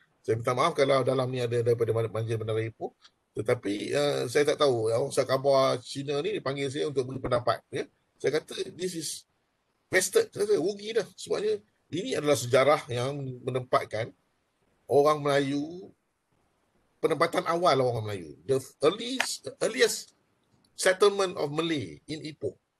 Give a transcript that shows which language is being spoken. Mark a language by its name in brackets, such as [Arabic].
[Malay] Saya minta maaf kalau dalam ni ada daripada Banjir Bandar Ipoh. Tetapi saya tak tahu. Orang Sekabar khabar Cina ni dipanggil saya untuk beri pendapat. Ya. Saya kata, [English] this is wasted. [Malay] Saya kata, rugi dah. Sebabnya, ini adalah sejarah yang menempatkan orang Melayu, penempatan awal orang Melayu. [English] The earliest settlement of Malay in Ipoh.